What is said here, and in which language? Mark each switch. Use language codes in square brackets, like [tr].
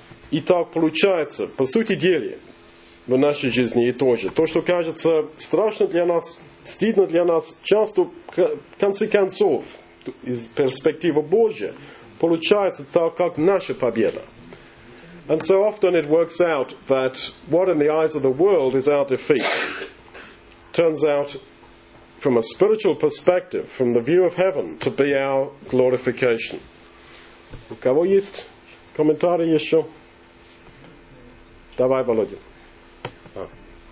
[ru] Итак, получается, по сути дела, в нашей жизни и тоже, то, что кажется страшно для нас, стыдно для нас, часто, в конце концов, из перспективы Божьей, получается так, как наша победа. [en] And so often it works out that what in the eyes of the world is our defeat, turns out, from a spiritual perspective, from the view of heaven, to be our glorification. [ru] У кого есть комментарии еще? Давай, Володя.